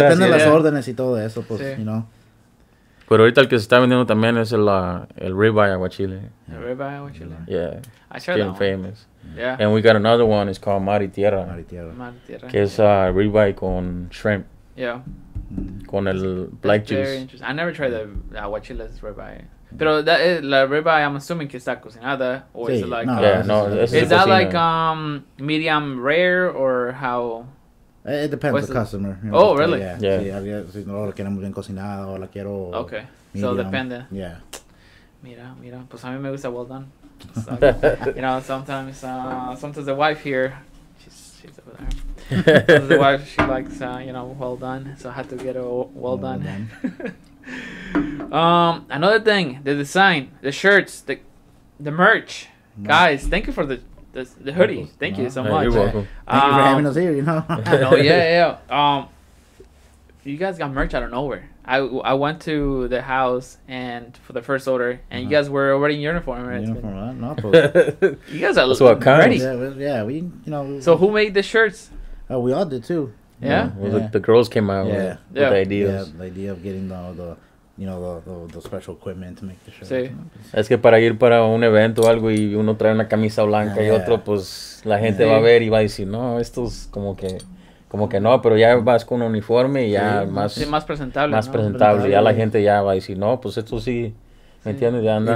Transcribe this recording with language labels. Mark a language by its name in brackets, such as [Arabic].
[Spanish] Depende de las órdenes y todo eso, pues, sí. Pero ahorita el que se está vendiendo también es el ribeye aguachile. El ribeye aguachile. [English] Yeah. I tried that famous. Yeah. And we got another one, it's called Mar y Tierra. [Spanish] Mar y Tierra. Que es ribeye con [English] shrimp. Yeah. [Spanish] Con el [English] black juice. Very interesting. I never tried the aguachiles ribeye. [Spanish] Pero [English] that is, [Spanish] la ribeye, [English] I'm assuming [Spanish] que está cocinada, [English] or is it like is that medium rare or how? It depends on the customer. Oh, really? Yeah. [Spanish] Si no la queremos bien cocinada o la quiero. [English] Okay. Medium. So [Spanish] depende. [English] Yeah. [Spanish] Mira, pues a mí me gusta [English] well done. So, you know, sometimes the wife here, she's over there. The wife, she likes well done, so I have to get her well done. Well done. Another thing, the design, the shirts, the merch. No. Guys, thank you for the hoodie. Thank you so much. You're welcome. Thank you for having us here, you guys got merch out of nowhere. I went to the house and for the first order, and you guys were already in uniform. Right? You guys are looking ready. We. So who made the shirts? We all did too. Yeah. The girls came out with the ideas. Yeah, the idea of getting the you know, the special equipment to make the shirt. [Spanish] Sí. Es que para ir para un evento o algo y uno trae una camisa blanca y otro, pues la gente va a ver y va a decir, no, esto es como que... Como que no, pero ya vas con un uniforme y ya más... Sí, más presentable. Más, ¿no?, presentable. Ya la gente ya va a decir, no, pues esto sí, ¿me entiendes? Ya andan.